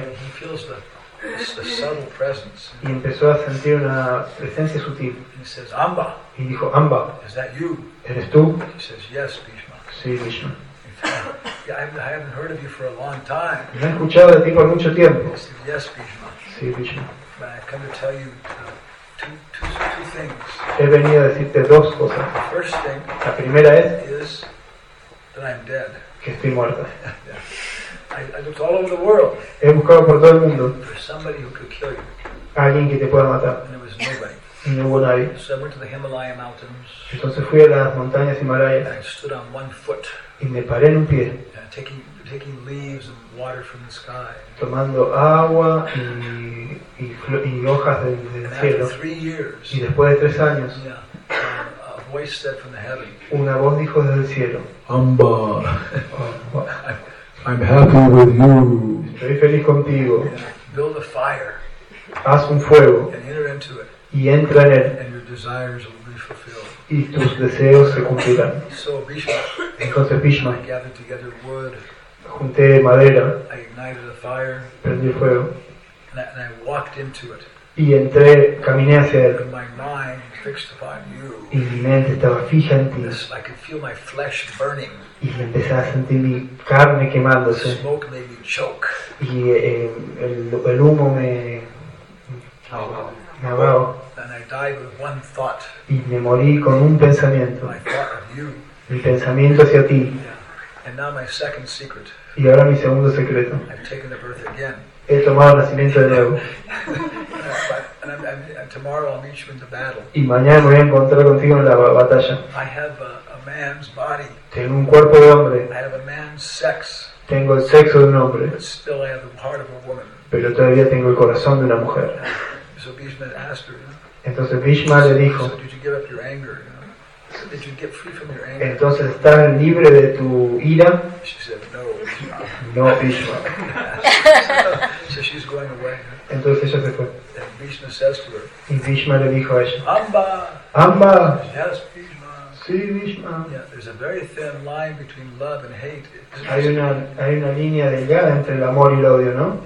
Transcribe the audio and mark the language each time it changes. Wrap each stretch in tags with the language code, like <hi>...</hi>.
<en>He feels the subtle presence.</en> <es>Y empezó a sentir una presencia sutil.</es> <en>He says, Amba.</en> <es>Y dijo, Amba,</es> <en>is that you?</en> <es>¿Eres tú?</es> <en>He says, yes, Bhishma.</en> <es>Sí, Bhishma.</es> <en>I haven't heard of you for a long time.</en> <es>No he escuchado de ti por mucho tiempo.</es> <en>He said, yes, Bhishma.</en> <es>Sí, Bhishma.</es> <en>But I've come to tell you two things.</en> <es>He venido a decirte dos cosas.</es> <en>The first thing,</en> <es>la primera es,</es> <en>is that I'm dead.</en> <es>Que estoy muerta.</es> <en>I looked all over the world.</en> <es>He buscado por todo el mundo.</es> <en>For somebody who could kill you.</en> <es>Alguien que te pueda matar.</es> <en>And there was nobody.</en> <es>Y no hubo nadie.</es> <en>So I went to the Himalaya mountains.</en> <es>Entonces fui a las montañas Himalayas.</es> <en>And I stood on one foot.</en> <es>Y me paré en un pie.</es> <en>Taking leaves and water from the sky.</en> <es>Tomando agua y hojas del cielo.</es> <en>After 3 years.</en> <es>Y después de 3 años.</es> <en>Yeah. A voice said from the heaven.</en> <es>Una voz dijo desde el cielo.</es> <en>Amba. I'm happy with you.</en> <es>Estoy feliz contigo.</es> <en>Yeah. Build a fire.</en> <es>Haz un fuego.</es> <en>And enter into it.</en> <es>Y entra en él.</es> <en>And your desires will be fulfilled.</en> <es>Y tus deseos se cumplirán.</es> <en>So Bhishma.</en> <es>Entonces Bhishma.</es> <en>I gathered together wood.</en> <es>Junté madera.</es> <en>I ignited a fire.</en> <es>Prendí fuego.</es> <en>And I walked into it.</en> <es>Y entré, caminé hacia él.</es> <en>And my mind fixed upon you.</en> <es>Y mi mente estaba fija en ti.</es> <en>I could feel my flesh burning.</en> <es>Y empecé a sentir mi carne quemándose.</es> <en>The smoke made me choke.</en> <es>Y el humo me ahogó.</es> <en>And I died with one thought.</en> <es>Y me morí con un pensamiento.</es> <en>I thought of you.</en> <es>Mi pensamiento hacia ti.</es> <en>And now my second secret.</en> <es>Y ahora mi segundo secreto.</es> <en>I've taken the birth again.</en> <es>He tomado el nacimiento de nuevo.</es> <en>And tomorrow I'll meet you in the battle.</en> <es>Y mañana me voy a encontrar contigo en la batalla.</es> <en>I have a man's body.</en> <es>Tengo un cuerpo de hombre.</es> <en>I have a man's sex.</en> <es>Tengo el sexo de un hombre.</es> <en>But still I have the heart of a woman.</en> <es>Pero todavía tengo el corazón de una mujer.</es> <en>So Bhishma asked her.</en> <es>Entonces Bhishma le dijo.</es> <en>So did you give up your anger? Did you get free from your anger?</en> <es>Entonces, ¿estás libre de tu ira?</es> <en>She said, no,</en> <es>no, Bhishma.</es> <en>So she's going away.</en> <es>Entonces ella se fue.</es> <en>And Bhishma says to her.</en> <es>Y Bhishma le dijo a ella.</es> <en>Amba.</en> <es>Amba.</es> <en>Yes, Bhishma.</en> <es>Sí, Bhishma.</es> <en>Yeah, there's a very thin line between love and hate.</en> <es>Hay una línea delgada entre el amor y el odio, ¿no?</es>